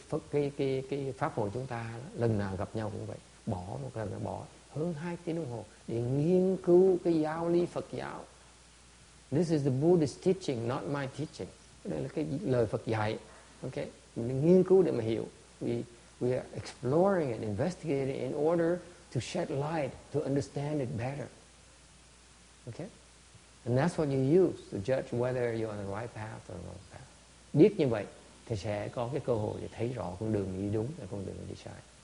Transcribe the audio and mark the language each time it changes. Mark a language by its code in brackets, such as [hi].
[vi] Cái pháp hội chúng ta lần nào gặp nhau cũng vậy. Bỏ một lần là bỏ hơn 2 tiếng đồng hồ để nghiên cứu cái giáo lý Phật giáo. [en] This is the Buddhist teaching, not my teaching. [vi] Đây là cái lời Phật dạy. Okay? Mình nghiên cứu để mà hiểu. [en] We are exploring and investigating in order to shed light, to understand it better. Okay? And that's what you use to judge whether you're on the right path or the wrong path. [vi] Biết như vậy, thì sẽ có cái cơ hội để thấy rõ con đường đi đúng và con đường đi sai.